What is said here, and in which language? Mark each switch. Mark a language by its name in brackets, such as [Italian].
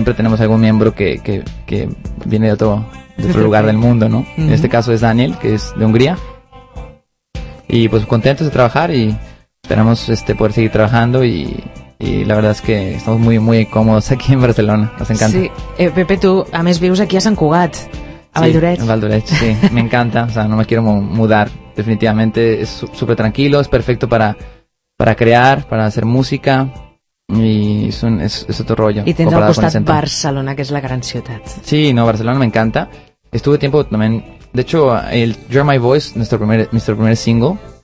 [Spanish] Siempre tenemos algún miembro que viene de otro lugar del mundo, ¿no? Uh-huh. En este caso es Daniel, que es de Hungría. Y pues contentos de trabajar y esperamos poder seguir trabajando y la verdad es que estamos muy muy cómodos aquí en Barcelona. Nos encanta. [Catalan] Sí, Pepe, tú a més vius aquí a Sant Cugat. A Valdoreix. [Spanish] Sí, Valdoreix, sí. Me encanta, o sea, no me quiero mudar. Definitivamente es súper tranquilo, es perfecto para crear, para hacer música y es otro rollo. Y tienes [Catalan] al costat [Spanish] Barcelona, que es la gran ciudad. Sí, no, Barcelona me encanta. Estuve tiempo también, de hecho, el You're My Voice, nuestro primer single,